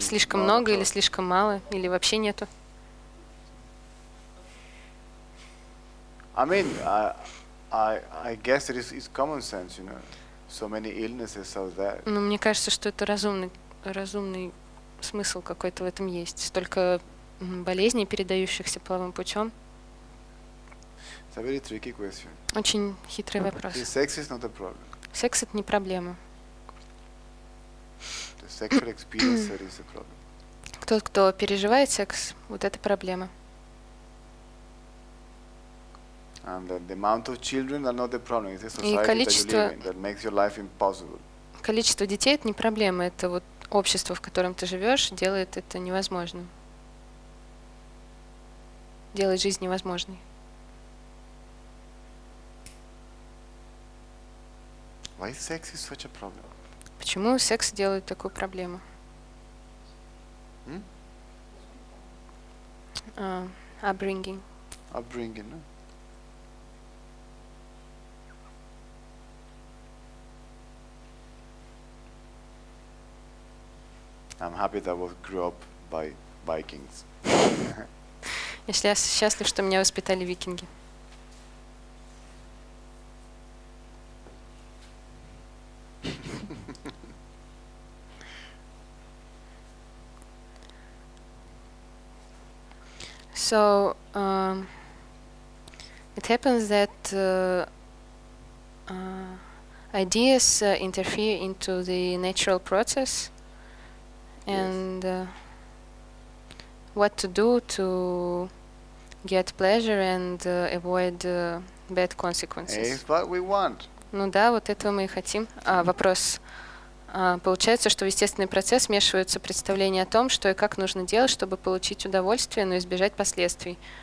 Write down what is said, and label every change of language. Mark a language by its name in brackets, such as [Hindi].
[Russian] слишком много или слишком мало, или вообще нету. [English] I mean, I guess it is common sense, you know. So many illnesses out there. [Russian] Ну, мне кажется, что это разумный смысл какой-то в этом есть. Столько болезней, передающихся половым путем. [English] It's a very tricky question. [Russian] Очень хитрый вопрос. [English] Sex is not a problem. [Russian] Секс — это не проблема. [English] The sexual experience is a problem. [Russian] Тот, кто переживает секс, вот это проблема. [English] And the amount of children are not the problem. It's the society that you live in that makes your life impossible. [Russian] Количество детей — это не проблема. Это вот общество, в котором ты живешь, делает это невозможным. Делать жизнь невозможной. [English] Why sex is such a problem? [Russian] Почему секс делает такую проблему? Hmm? [English] Upbringing. Upbringing, no? I'm happy that I was grew up by Vikings. [Russian] Если я счастлив, что меня воспитали викинги. Mm-hmm. [English] So it happens that ideas interfere into the natural process, and what to do to get pleasure and avoid bad consequences. It's what we want. [Russian] Ну да, вот этого мы и хотим. А вопрос. Получается, что в естественный процесс смешиваются представления о том, что и как нужно делать, чтобы получить удовольствие, но избежать последствий.